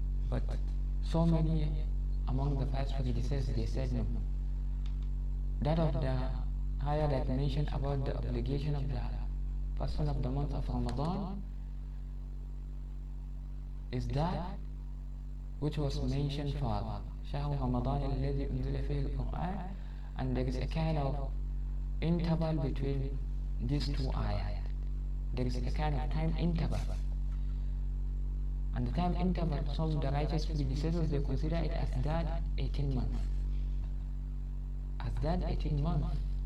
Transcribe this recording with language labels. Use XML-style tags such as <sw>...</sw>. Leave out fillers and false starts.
<en>But so many among the past predecessors, they said no. That of the ayah that mentioned about the obligation of the person of the month of Ramadan is that which was mentioned further.</en> <ar>شهر رمضان الذي أنزل فيه القرآن.</ar> <en>And there is a kind of interval between these two ayahs. There is a kind of time interval. And the time interval, some of the righteous predecessors, they consider it as that 18 months. As that 18 months.</en>